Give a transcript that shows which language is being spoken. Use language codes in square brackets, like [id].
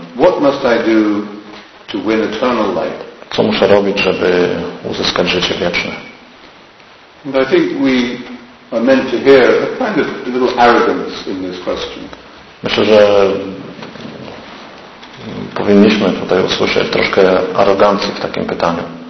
[en] "What must I do to win eternal life?" [pl] Co muszę robić, żeby uzyskać życie wieczne? [en] And I think we are meant to hear a kind of little arrogance in this question. [pl] Myślę, że powinniśmy tutaj usłyszeć troszkę arogancji w takim pytaniu.